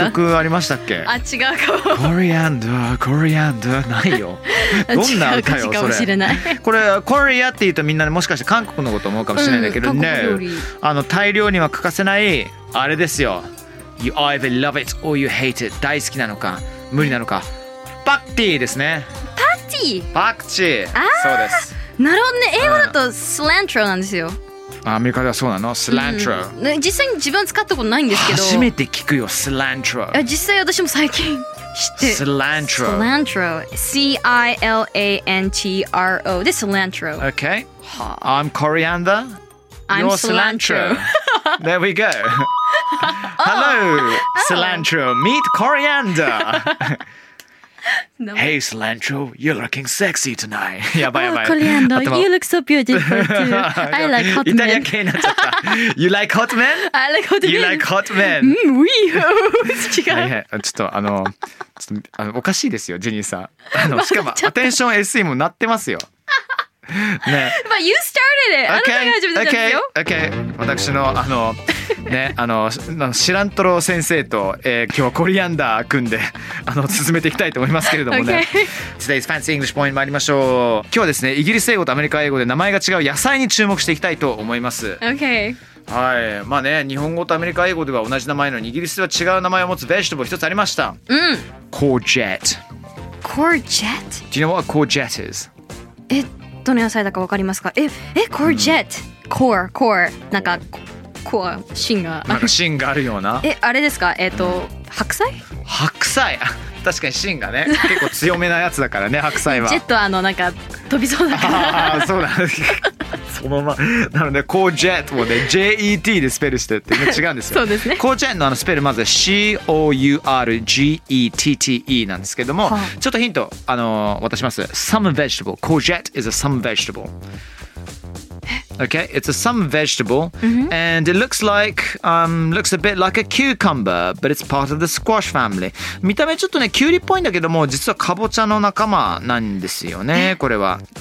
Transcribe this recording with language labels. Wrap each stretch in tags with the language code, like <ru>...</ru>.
<ja>そんな曲ありましたっけ？あ、違うかも。 Coriander. ないよ。どんな歌よ、それ。違うかもしれない。これ、コリアって言うとみんな、ね、もしかして韓国のこと思うかもしれないんだけど、うん、韓国料理。</ja> <en>No.</en> <ja>あの、大量には欠かせない、あれですよ。</ja> <en>You either love it or you hate it.</en> <ja>大好きなのか、無理なのか。パクティーですね。パクティー？パクチー。あー。そうです。なるほどね。英語だとスラントロなんですよ。アメリカではそうなの、スラントロ、うん、実際に自分使ったことないんですけど、初めて聞くよ、スラントロ、実際私も最近知ってスラントロ、スラントロ、 C-I-L-A-N-T-R-O で、スラントロ、</ja> <en>OK、 I'm coriander、 I'm cilantro、 There we go、 Hello、 cilantro、 meet coriander、 Hey cilantro, you're looking sexy tonight.</en> <ja>やばいやばい。</ja> <en>コリアンダー、you look so beautiful too. I like hot men.</en> <ja>イタリア系になっちゃった。</ja> <en>You like hot men? I like hot men. You like hot men?</en> <ja>うん、違う。ちょっとおかしいですよ、ジェニーさん。しかも、アテンション SE もなってますよ。</ja> <en>ね、But you started it.</en> <ja>あなたが始めたんですよ。私のあのね、あのシラントロ先生と、今日はコリアンダー組んで進めていきたいと思いますけれどもね。</ja> <en>Okay. Today's fancy English point 参りましょう。</en> <ja>今日はですね、イギリス英語とアメリカ英語で名前が違う野菜に注目していきたいと思います。</ja> <en>Okay.</en> <ja>はい、まあね、日本語とアメリカ英語では同じ名前のに、イギリスでは違う名前を持つベジタブル一つありました。うん。コージェット。コージェット</ja> <en>？ Do you know what a courgette is?</en> <ja>どの野菜だか分かりますか？コージェット。コー、コー。なんか、コア芯が、なんか芯があるような、え、あれですか、白菜、白菜、確かに芯がね結構強めなやつだからね白菜は。ジェットはあのなんか飛びそうだから、あ、そうなんですそのままなので、コージェットもね JET でスペルしてって違うんですよそうですね、コージェット のスペルまずは CORGETTE なんですけども、はあ、ちょっとヒント渡します。</ja> <en>Some vegetable courgette is a some vegetable okay it's a some vegetable、mm-hmm. and it looks like looks a bit like a cucumber but it's part of the squash family</en> <ja>見た目ちょっとねキュウリっぽいんだけども実はカボチャの仲間なんですよね、これは。</ja>